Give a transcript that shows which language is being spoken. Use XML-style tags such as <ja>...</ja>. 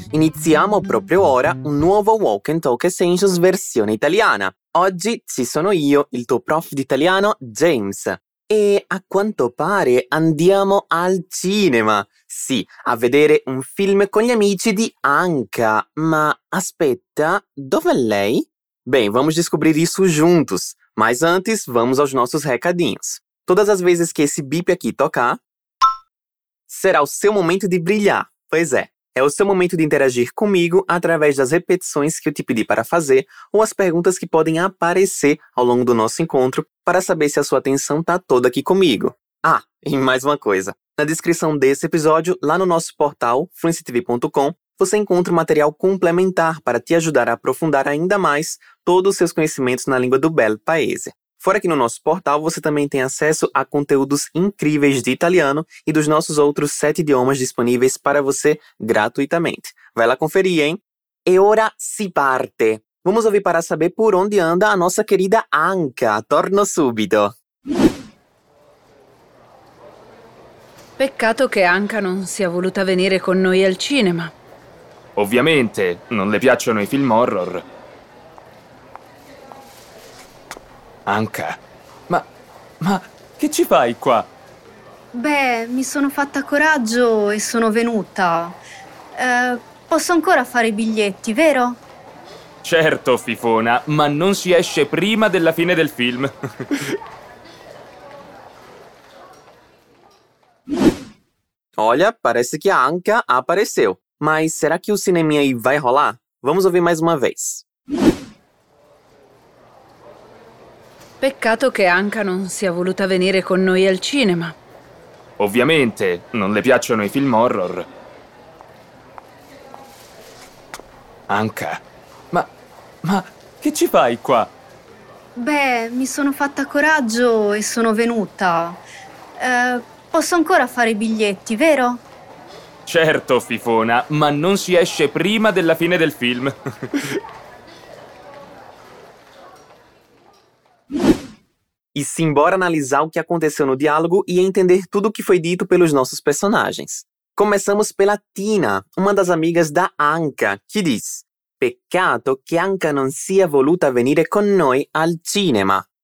<it>Iniziamo proprio ora un nuovo Walk and Talk Essentials versione italiana. Oggi ci sono io, il tuo prof di italiano, James. E a quanto pare andiamo al cinema. Sì, a vedere un film con gli amici di Anka. Ma aspetta, dov'è lei?</it> <pt>Bem, vamos descobrir isso juntos. Mas antes, vamos aos nossos recadinhos. Todas as vezes que esse bip aqui tocar, será o seu momento de brilhar. Pois é, é o seu momento de interagir comigo através das repetições que eu te pedi para fazer ou as perguntas que podem aparecer ao longo do nosso encontro para saber se a sua atenção está toda aqui comigo. Ah, e mais uma coisa. Na descrição desse episódio, lá no nosso portal fluencytv.com, você encontra um material complementar para te ajudar a aprofundar ainda mais todos os seus conhecimentos na língua do Bel Paese. Fora que no nosso portal você também tem acesso a conteúdos incríveis de italiano e dos nossos outros 7 idiomas disponíveis para você gratuitamente. Vai lá conferir, hein?</pt> <it>E ora si parte!</it> <pt>Vamos ouvir para saber por onde anda a nossa querida Anka.</pt> <it>Torno subito! Peccato che Anka non sia voluta venire con noi al cinema. Ovviamente, non le piacciono i film horror. Anka, ma che ci fai qua? Beh, mi sono fatta coraggio e sono venuta. Posso ancora fare i biglietti, vero? Certo, fifona, ma non si esce prima della fine del film.</it> <pt>Olha, parece que a Anka apareceu. Mas será que o cineminha aí vai rolar? Vamos ouvir mais uma vez.</pt> <it>Peccato che Anka non sia voluta venire con noi al cinema. Ovviamente, non le piacciono i film horror. Anka, ma che ci fai qua? Beh, mi sono fatta coraggio e sono venuta. Posso ancora fare i biglietti, vero? Certo, fifona, ma non si esce prima della fine del film.</it> <pt>E sim, bora analisar o que aconteceu no diálogo e entender tudo o que foi dito pelos nossos personagens. Começamos pela Tina, uma das amigas da Anka, que diz:</pt> <it>Peccato che Anka non sia voluta venire con noi al cinema.</it>